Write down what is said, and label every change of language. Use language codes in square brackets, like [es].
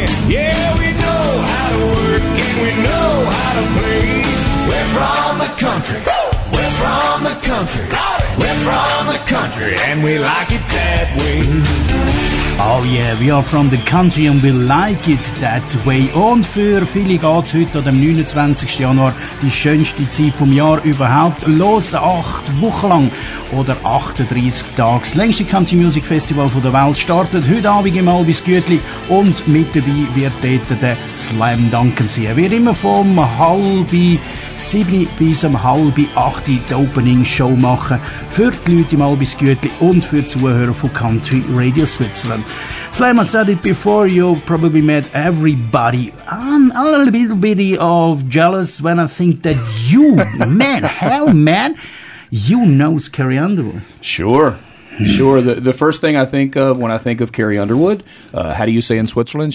[en] Yeah, we know how to work and we know how to play. We're from the country. We're from the country. We're from the country and we like it that way. Oh yeah, we are from the country and we like it that way. [de] Und für viele geht heute am 29. Januar die schönste Zeit vom Jahr überhaupt los. 8 Wochen lang oder 38 Tage. Das längste Country Music Festival von der Welt startet heute Abend im Albis Gütli und mit dabei wird dort der Slam Duncan sein. Er wird immer vom 6:30 bis 7:30 die Opening Show machen für die Leute im Albis Gütli und für die Zuhörer von Country Radio Switzerland. [en] Slam, I said it before, you probably met everybody. I'm a little bit of jealous when I think that you, man, hell, man, you know Carrie Underwood. Sure, sure. The first thing I think of when I think of Carrie Underwood, how do you say in Switzerland?